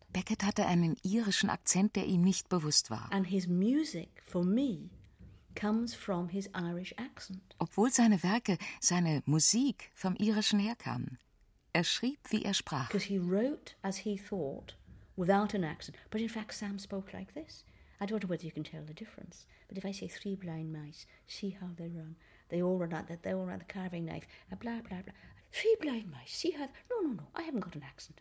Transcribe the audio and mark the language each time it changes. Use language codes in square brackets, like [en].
[de] Beckett hatte einen irischen Akzent, der ihm nicht bewusst war. [en] And his music, for me, comes from his Irish accent. [de] Obwohl seine Werke, seine Musik vom Irischen herkamen. Er schrieb, wie er sprach. [en] Because he wrote, as he thought, without an accent. But in fact, Sam spoke like this. I don't know whether you can tell the difference. But if I say three blind mice, see how they run. They all run out, they all run the carving knife. Blah, blah, blah. Three blind mice, see how... No. I haven't got an accent.